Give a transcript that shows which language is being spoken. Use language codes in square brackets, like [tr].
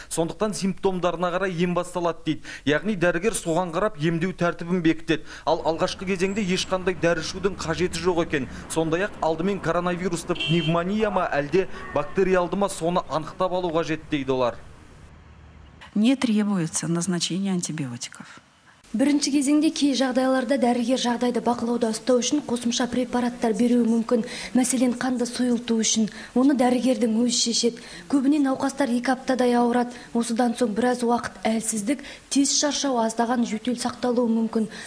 [kk] Сондықтан симптомдарына қарай ем басталады, дейді. Яғни дәрігер соған қарап емдеу тәртібін бекітеді. Ал алғашқы кезеңде ешқандай дәрі ішудің қажеті жоқ екен. Сондай-ақ алдымен коронавирусты пневмония ма, әлде бактериалды ма, соны анықтап алу қажет, дейді олар. [ru] Не требуется назначение антибиотиков. [kk] Бірінші кезеңде кей жағдайларда дәрігер жағдайды бақылауда ұстау үшін қосымша препараттар беруі мүмкін. Мәселен, қанды сұйылту үшін. Оны дәрігердің өзі шешеді. Көбіне науқастар екі аптадай ауырады. Осыдан соң біраз уақыт әлсіздік, тез шаршау, аздаған жөтел сақталуы мүмкін.